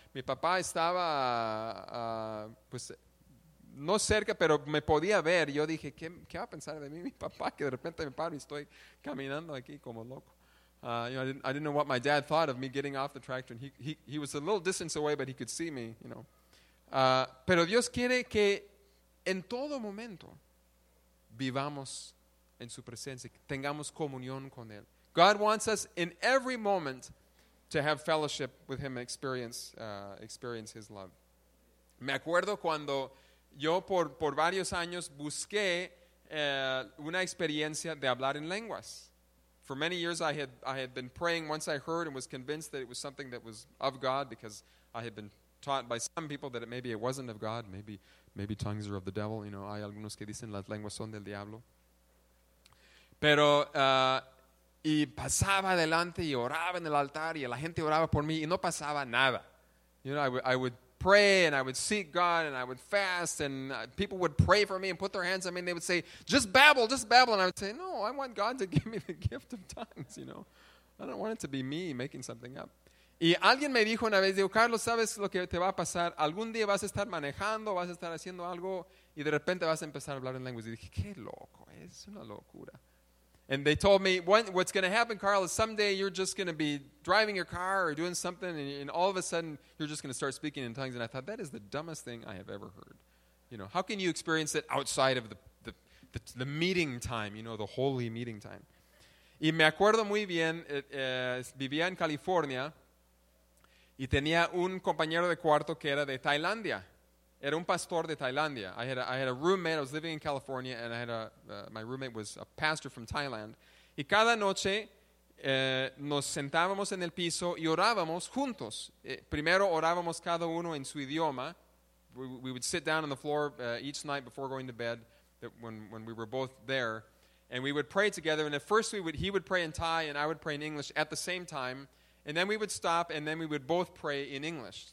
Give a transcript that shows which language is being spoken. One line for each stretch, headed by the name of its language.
Spanish: Mi papá estaba pues no cerca, pero me podía ver. Yo dije, ¿qué va a pensar de mí mi papá, que de repente me paro y estoy caminando aquí como loco?
English: I didn't know what my dad thought of me getting off the tractor, and he was a little distance away, but he could see me, you know.
Spanish: Pero Dios quiere que en todo momento vivamos en su presencia, que tengamos comunión con él.
English: God wants us in every moment to have fellowship with Him and experience His love.
Spanish: Me acuerdo cuando yo por varios años busqué una experiencia de hablar en lenguas.
English: For many years I had been praying. Once I heard and was convinced that it was something that was of God, because I had been taught by some people that maybe it wasn't of God, maybe tongues are of the devil, you know,
Spanish: hay algunos que dicen las lenguas son del diablo. Pero y pasaba adelante y oraba en el altar, y la gente oraba por mí, y no pasaba nada.
English: You know, I would pray and I would seek God and I would fast and people would pray for me and put their hands on me and they would say, just babble. And I would say, no, I want God to give me the gift of tongues, you know. I don't want it to be me making something up.
Spanish: Y alguien me dijo una vez, digo, Carlos, ¿sabes lo que te va a pasar? Algún día vas a estar manejando, vas a estar haciendo algo y de repente vas a empezar a hablar en lenguas. Y dije, qué loco, es una locura.
English: And they told me, what's going to happen, Carl, is someday you're just going to be driving your car or doing something, and all of a sudden you're just going to start speaking in tongues. And I thought, that is the dumbest thing I have ever heard. You know, how can you experience it outside of the meeting time, you know, the holy meeting time?
Spanish: Y me acuerdo muy bien, vivía en California, y tenía un compañero de cuarto que era de Tailandia. Era un pastor de Tailandia.
English: I had a roommate. I was living in California, and I had a my roommate was a pastor from Thailand.
Spanish: Y cada noche nos sentábamos en el piso y orábamos juntos. Primero orábamos cada uno en su idioma.
English: We would sit down on the floor each night before going to bed. When we were both there, and we would pray together. And at first he would pray in Thai, and I would pray in English at the same time. And then we would stop, and then we would both pray in English.